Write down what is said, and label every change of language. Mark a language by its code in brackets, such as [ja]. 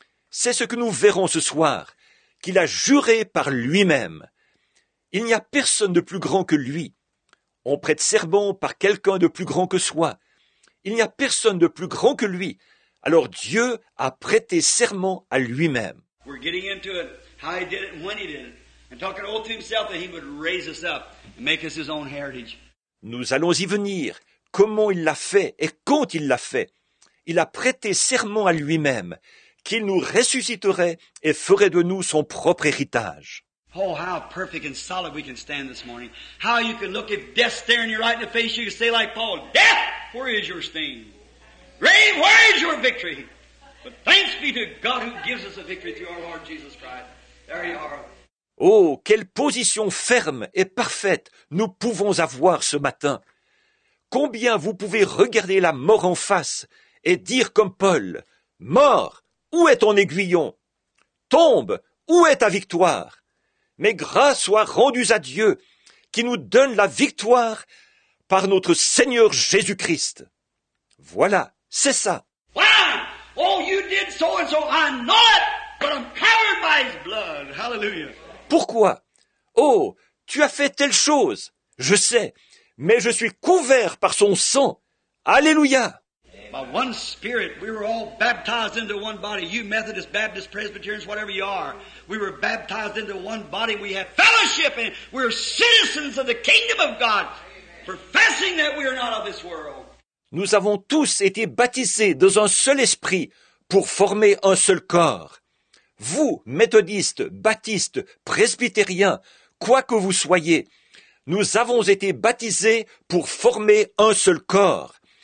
[fr] C'est ce que nous verrons ce soir, qu'il a juré par lui-même. Il n'y a personne de plus grand que lui. On prête serment par quelqu'un de plus grand que soi. Il n'y a personne de plus grand que lui. Alors Dieu a prêté serment à lui-même. [en] We're getting into it, how he did it, when he did it, and talking all to himself that he would raise us up and make us his own heritage. [fr] Nous allons y venir. Comment il l'a fait et quand il l'a fait. Il a prêté serment à lui-même qu'il nous ressusciterait et ferait de nous son propre héritage. [en] Oh, how perfect and solid we can stand this morning. How you can look if death's staring you right in the face, you can say like Paul, death, where is your sting? Grave, where is your victory? But thanks be to God who gives us a victory through our Lord Jesus Christ. There you are. [fr] Oh, quelle position ferme et parfaite nous pouvons avoir ce matin. Combien vous pouvez regarder la mort en face et dire comme Paul, « Mort, où est ton aiguillon? Tombe, où est ta victoire? Mais grâce soit rendue à Dieu qui nous donne la victoire par notre Seigneur Jésus-Christ. » Voilà, c'est ça. [en] Wow! Oh, you did so and so. I know it, but I'm powered by his blood. Hallelujah. [fr] Pourquoi? Oh, tu as fait telle chose. Je sais, mais je suis couvert par son sang. Alléluia. [en] By one spirit, we were all baptized into one body. You Methodist, Baptist, Presbyterians, whatever you are. We were baptized into one body. We have fellowship and we're citizens of the kingdom of God. Professing that we are not of this world. [fr] Nous avons tous été baptisés dans un seul esprit pour former un seul corps. Vous, méthodistes, baptistes, presbytériens, quoi que vous soyez, nous avons été baptisés pour former un seul corps.